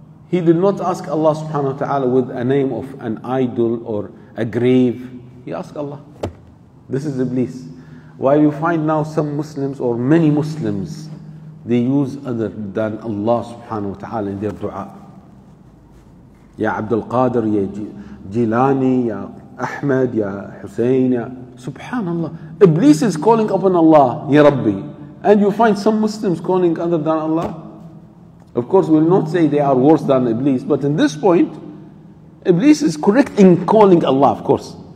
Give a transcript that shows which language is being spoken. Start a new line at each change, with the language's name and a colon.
English: He did not ask Allah subhanahu wa ta'ala with a name of an idol or a grave. He asked Allah. This is Iblis. While you find now some Muslims or many Muslims, they use other than Allah subhanahu wa ta'ala in their dua. Ya Abdul Qadir, ya Jilani, ya
Arabic: أحمد يا حسين يا سبحان الله. إبليس
English: is calling upon Allah
Arabic: يا ربي.
English: And you find some Muslims calling other than Allah. Of course we will not say they are worse than Iblis. But in this point, Iblis is correct in calling Allah, of course.